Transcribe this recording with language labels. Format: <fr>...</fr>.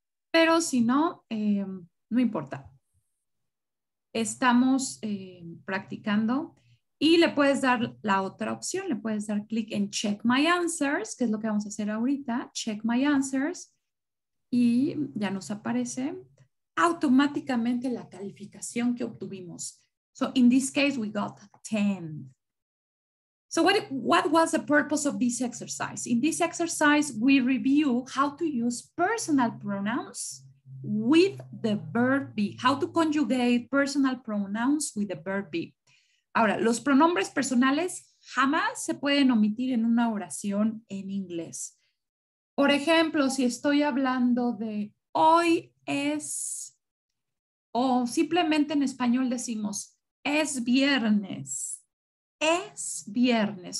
<es>Pero si no, no importa. Estamos practicando y le puedes dar la otra opción. Le puedes dar clic en Check My Answers, que es lo que vamos a hacer ahorita. Check My Answers. Y ya nos aparece automáticamente la calificación que obtuvimos.</es> <en>So in this case, we got 10. So what was the purpose of this exercise? In this exercise, we review how to use personal pronouns with the verb be. How to conjugate personal pronouns with the verb be.</en> <es>Ahora, los pronombres personales jamás se pueden omitir en una oración en inglés. Por ejemplo, si estoy hablando de hoy es, o simplemente en español decimos es viernes, es viernes.</es>